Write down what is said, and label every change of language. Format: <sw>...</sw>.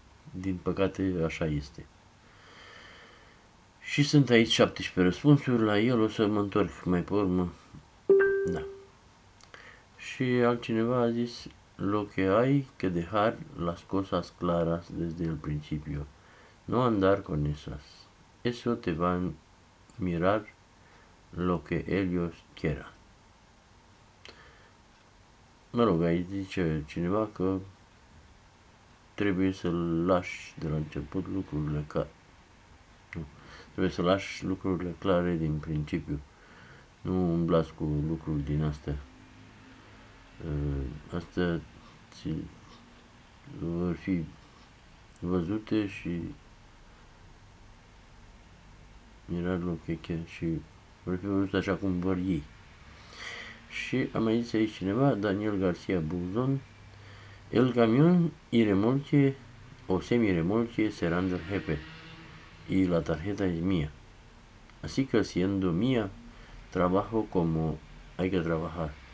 <ro>Din păcate, așa este. Și sunt aici 17 răspunsuri, la el o să mă întorc mai pe urmă. Da.</ro> <es>Și altcineva a zis: "Lo que hay que dejar las cosas claras desde el principio, no andar con esas. Eso te van a mirar lo que ellos quieran."</es> <ro>Mă rog, aici zice cineva că trebuie să lași de la început lucrurile ca... Nu. Trebuie să lași lucrurile clare din principiu. Nu umblați cu lucruri din astea. Astea vor fi văzute și mirarul cheche și vor fi văzute așa cum vor ei. Și am mai zis aici cineva,</ro> <es>Daniel Garcia Buzon: "El camión y remolque o semi-remolque serán del jefe y la tarjeta es mía. Así que siendo mía, trabajo como hay que trabajar.</es>